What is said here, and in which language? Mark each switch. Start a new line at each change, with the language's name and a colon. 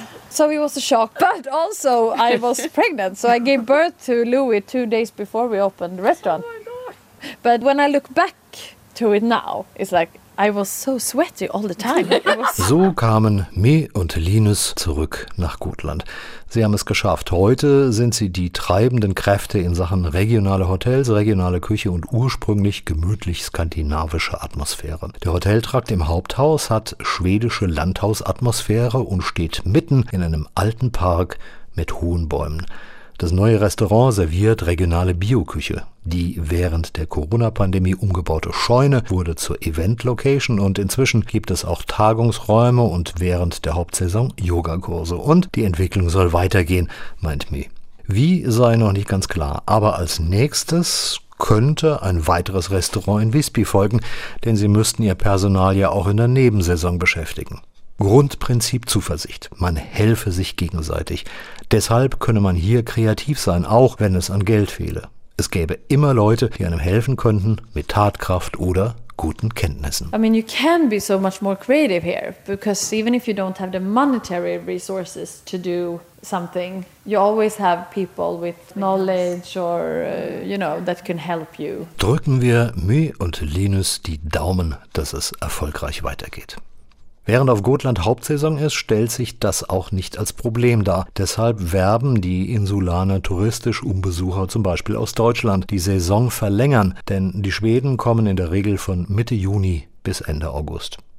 English: So it was a shock, but also I was pregnant. So I gave birth to Louis 2 days before we opened the restaurant. Oh my God. But when I look back to it now, it's like I was so sweaty all the time.
German: So kamen Me und Linus zurück nach Gotland. Sie haben es geschafft. Heute sind sie die treibenden Kräfte in Sachen regionale Hotels, regionale Küche und ursprünglich gemütlich skandinavische Atmosphäre. Der Hoteltrakt im Haupthaus hat schwedische Landhausatmosphäre und steht mitten in einem alten Park mit hohen Bäumen. Das neue Restaurant serviert regionale Bioküche. Die während der Corona-Pandemie umgebaute Scheune wurde zur Event-Location und inzwischen gibt es auch Tagungsräume und während der Hauptsaison Yogakurse. Und die Entwicklung soll weitergehen, meint Mi. Wie sei noch nicht ganz klar, aber als nächstes könnte ein weiteres Restaurant in Visby folgen, denn sie müssten ihr Personal ja auch in der Nebensaison beschäftigen. Grundprinzip Zuversicht. Man helfe sich gegenseitig. Deshalb könne man hier kreativ sein, auch wenn es an Geld fehle. Es gäbe immer Leute, die einem helfen könnten, mit Tatkraft oder guten Kenntnissen.
English: I mean, you can be so much more creative here, because even if you don't have the monetary resources to do something, you always have people with knowledge or, you know, that can help you.
German: Drücken wir Mi und Linus die Daumen, dass es erfolgreich weitergeht. Während auf Gotland Hauptsaison ist, stellt sich das auch nicht als Problem dar. Deshalb werben die Insulaner touristisch um Besucher, zum Beispiel aus Deutschland, die Saison verlängern, denn die Schweden kommen in der Regel von Mitte Juni bis Ende August.